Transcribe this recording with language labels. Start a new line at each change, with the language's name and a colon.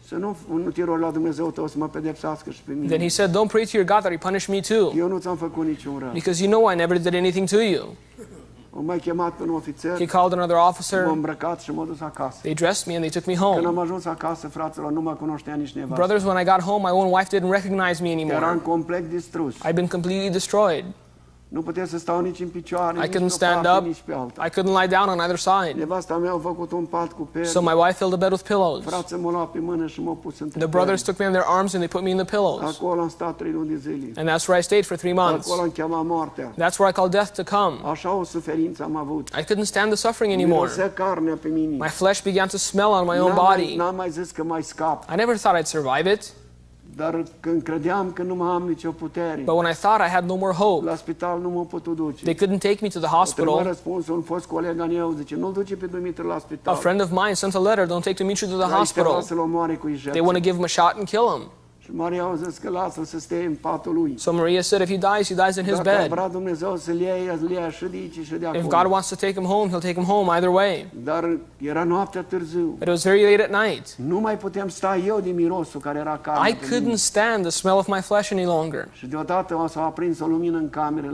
Romanian: Să nu te rogi la Dumnezeu tău să mă pedepsească și pe mine.
English: Then he said, don't pray to your God that he punish me too.
Romanian: Eu nu ți-am făcut niciun rău.
English: Because you know I never did anything to you.
Romanian: O mai chemat un ofițer.
English: He called another officer.
Romanian: M-a îmbrăcat și m-a dus acasă.
English: They dressed me and they took me home.
Romanian: Când am ajuns acasă, fraților, nu mă cunoștea nici nevastă.
English: Brothers, when I got home, my own wife didn't recognize me anymore.
Romanian: Eram complet distrus.
English: I've been completely destroyed.
Romanian: Nu puteam să stau nici în picioare,
English: I couldn't stand up. I couldn't lie down on either side.
Romanian: Nevasta mea a făcut un pat cu perni.
English: So my wife filled a bed with pillows.
Romanian: Frații m-au luat pe mână și m-au pus între perni.
English: The brothers took me in their arms and they put me in the pillows.
Romanian: Acolo am stat 3 luni de zile.
English: And that's where I stayed for 3 months.
Romanian: Acolo am chemat moartea.
English: That's where I called death to come.
Romanian: Așa o suferință am avut.
English: I couldn't stand the suffering anymore.
Romanian: Mirosea carnea pe mine.
English: My flesh began to smell on my own body.
Romanian: N-am mai zis că mai scap.
English: I never thought I'd survive it.
Romanian: Dar când credeam că nu mai am nicio putere.
English: But when I thought I had no more hope.
Romanian: La spital nu m-au putut duce.
English: They couldn't take me to the hospital.
Romanian: Primul răspuns un fost coleg al meu zice, nu-l duce pe Dumitru la spital.
English: A friend of mine sent a letter, don't take Dumitru to the hospital. They want to give him a shot and kill him.
Romanian: Și Maria a zis că lasă-l să stea în patul lui.
English: So Maria said if he dies, he dies in his bed.
Romanian: Dacă vrea Dumnezeu să-l ia, să-l ia și de aici și de acolo.
English: If God wants to take him home, he'll take him home either way.
Romanian: Dar era noaptea târziu.
English: It was very late at night.
Romanian: Nu mai puteam sta eu de mirosul care era acasă.
English: I couldn't stand the smell of my flesh any longer.
Romanian: Și deodată s-a aprins o lumină în cameră.